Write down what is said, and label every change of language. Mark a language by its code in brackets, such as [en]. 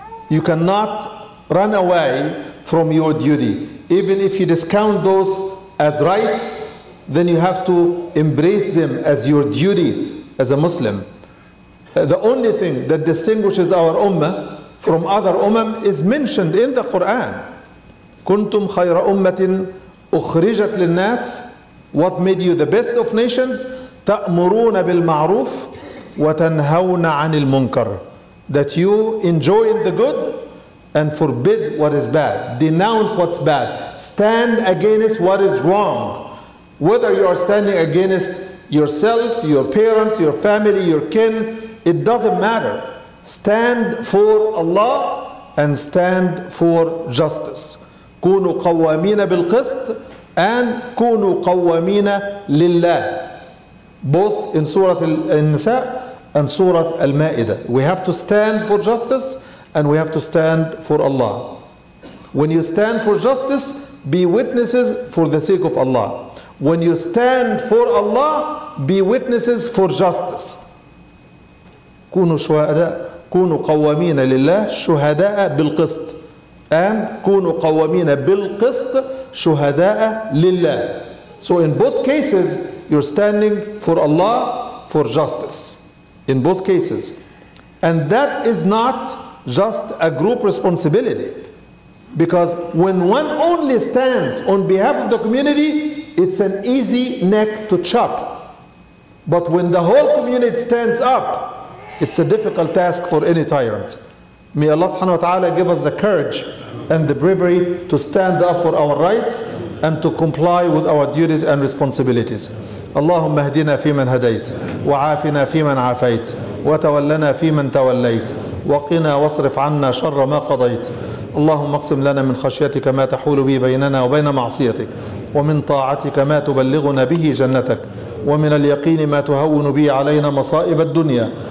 [en] You cannot run away from your duty. Even if you discount those as rights, then you have to embrace them as your duty as a Muslim. The only thing that distinguishes our ummah from other umam is mentioned in the Quran. [ar] كنتم خير أمة أخرجت للناس. [en] What made you the best of nations? [ar] تأمرون بالمعروف وتنهون عن المنكر. [en] That you enjoy the good and forbid what is bad. Denounce what's bad. Stand against what is wrong. Whether you are standing against yourself, your parents, your family, your kin, it doesn't matter. Stand for Allah and stand for justice. [ar] كونوا قوامين بالقسط [en] and [ar] كونوا قوامين لله. [en] Both in Surah Al-Nisa and Surah Al-Ma'idah. We have to stand for justice and we have to stand for Allah. When you stand for justice, be witnesses for the sake of Allah. When you stand for Allah, be witnesses for justice. [ar] كونوا شهداء كونوا قوامين لله شهداء بالقسط [en] and [ar] كونوا قوامين بالقسط شهداء لله. [en] So in both cases you're standing for Allah for justice in both cases, and that is not just a group responsibility, because when one only stands on behalf of the community, it's an easy neck to chop. But when the whole community stands up, it's a difficult task for any tyrant. May Allah subhanahu wa ta'ala give us the courage and the bravery to stand up for our rights and to comply with our duties and responsibilities. [ar] اللهم اهدنا فيمن هديت وعافنا فيمن عافيت وتولنا فيمن توليت وقنا واصرف عنا شر ما قضيت. اللهم اقسم لنا من خشيتك ما تحول به بيننا وبين معصيتك، ومن طاعتك ما تبلغنا به جنتك، ومن اليقين ما تهون به علينا مصائب الدنيا.